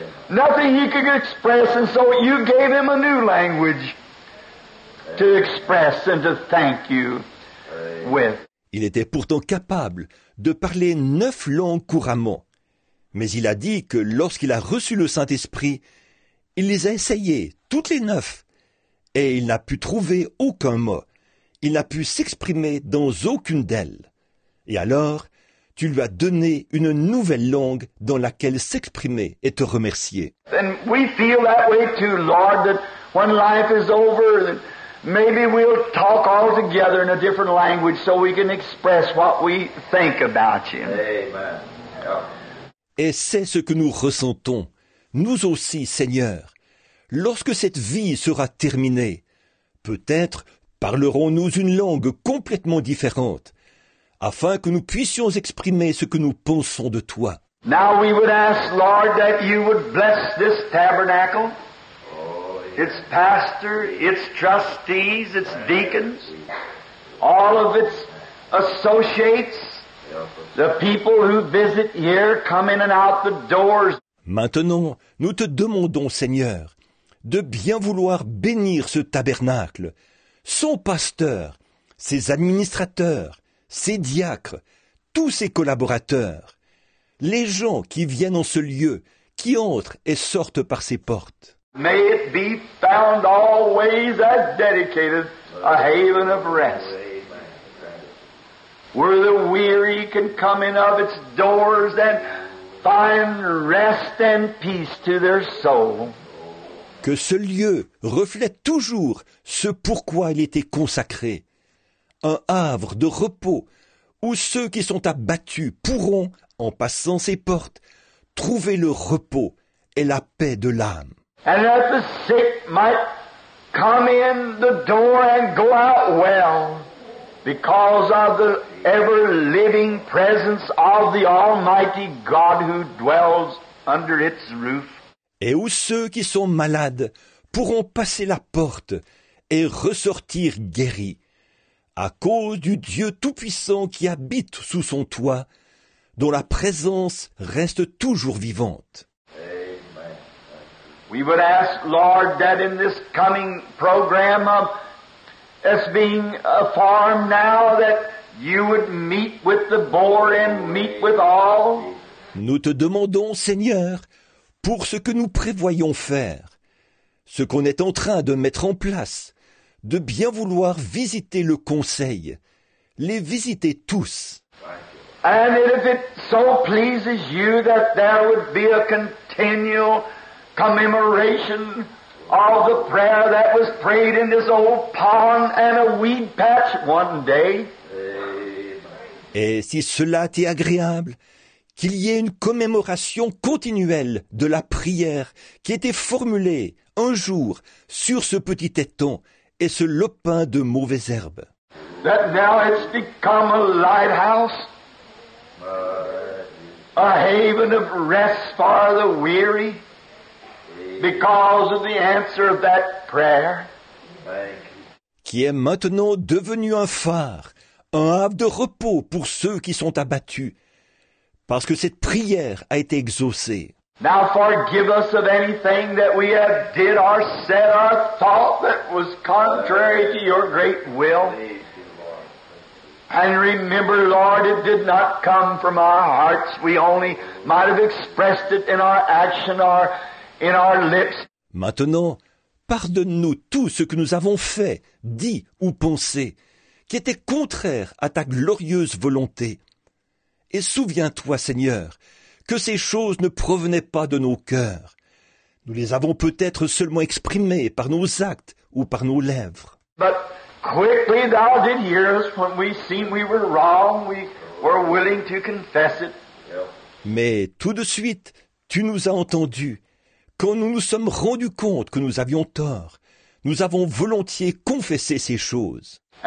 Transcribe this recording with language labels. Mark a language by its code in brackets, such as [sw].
[en] Nothing he could express, and so you gave him a new language to express and to thank you with. [fr] Il était pourtant capable de parler 9 langues couramment, mais il a dit que lorsqu'il a reçu le Saint-Esprit, il les a essayées, toutes les 9, et il n'a pu trouver aucun mot. Il n'a pu s'exprimer dans aucune d'elles. Et alors, tu lui as donné une nouvelle langue dans laquelle s'exprimer et te remercier. [en] And we feel that way too, Lord, that when life is over, maybe we'll talk all together in a different language so we can express what we think about you. Amen. [fr] Et c'est ce que nous ressentons, nous aussi, Seigneur. Lorsque cette vie sera terminée, peut-être parlerons-nous une langue complètement différente, afin que nous puissions exprimer ce que nous pensons de toi. [en] Now we would ask, Lord, that you would bless this tabernacle, its pastor, its trustees, its deacons, all of its associates, the people who visit here, come in and out the doors. [fr] Maintenant, nous te demandons, Seigneur, de bien vouloir bénir ce tabernacle, son pasteur, ses administrateurs, ses diacres, tous ses collaborateurs, les gens qui viennent en ce lieu, qui entrent et sortent par ses portes. [en] May it be found always as dedicated a haven of rest, where the weary can come in of its doors and find rest and peace to their soul. [fr] Que ce lieu reflète toujours ce pourquoi il était consacré, un havre de repos où ceux qui sont abattus pourront, en passant ses portes, trouver le repos et la paix de l'âme. [en] And that the sick might come in the door and go out well because of the ever-living presence of the Almighty God who dwells under its roof. [fr] Et où ceux qui sont malades pourront passer la porte et ressortir guéris à cause du Dieu Tout-Puissant qui habite sous son toit, dont la présence reste toujours vivante. [en] We would ask, Lord, that in this coming program of us being a farm now, that you would meet with the board and meet with all. [fr] Nous te demandons, Seigneur, pour ce que nous prévoyons faire, ce qu'on est en train de mettre en place, de bien vouloir visiter le conseil, les visiter tous. [en] And if it so pleases you that there would be a continual commemoration of the prayer that was prayed in this old pond and a weed patch one day. [fr] Et si cela t'est agréable, qu'il y ait une commémoration continuelle de la prière qui était formulée un jour sur ce petit étang et ce lopin de mauvaise herbe. [en] That now it's become a lighthouse, a haven of rest for the weary. Because of the answer of that prayer. [fr] Qui est maintenant devenu un phare, un havre de repos pour ceux qui sont abattus, parce que cette prière a été exaucée. [en] Now forgive us of anything that we have did or said or thought that was contrary to your great will. And remember, Lord, it did not come from our hearts. We only might have expressed it in our action or in our lips. [fr] Maintenant, pardonne-nous tout ce que nous avons fait, dit ou pensé, qui était contraire à ta glorieuse volonté. Et souviens-toi, Seigneur, que ces choses ne provenaient pas de nos cœurs. Nous les avons peut-être seulement exprimées par nos actes ou par nos lèvres. [en] But quickly thou did hear us when we seemed we were wrong, we were willing to confess it. [fr] Mais tout de suite, tu nous as entendus. Quand nous nous sommes rendus compte que nous avions tort, nous avons volontiers confessé ces choses.